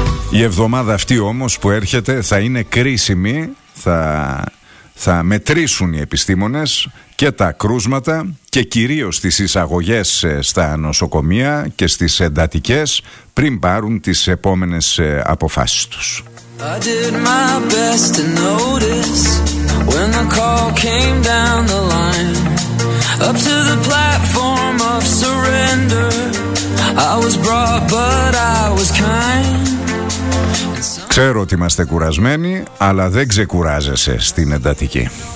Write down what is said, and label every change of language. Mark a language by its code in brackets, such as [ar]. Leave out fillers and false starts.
[el] Η εβδομάδα αυτή όμως που έρχεται θα είναι κρίσιμη, θα μετρήσουν οι επιστήμονες και τα κρούσματα και κυρίως τις εισαγωγές στα νοσοκομεία και στις εντατικές πριν πάρουν τις επόμενες αποφάσεις τους. [en] I did my best to notice when the call came down the line. Up to the platform of surrender, I was brought but I was kind. [el] Ξέρω ότι είμαστε κουρασμένοι, αλλά δεν ξεκουράζεσαι στην εντατική.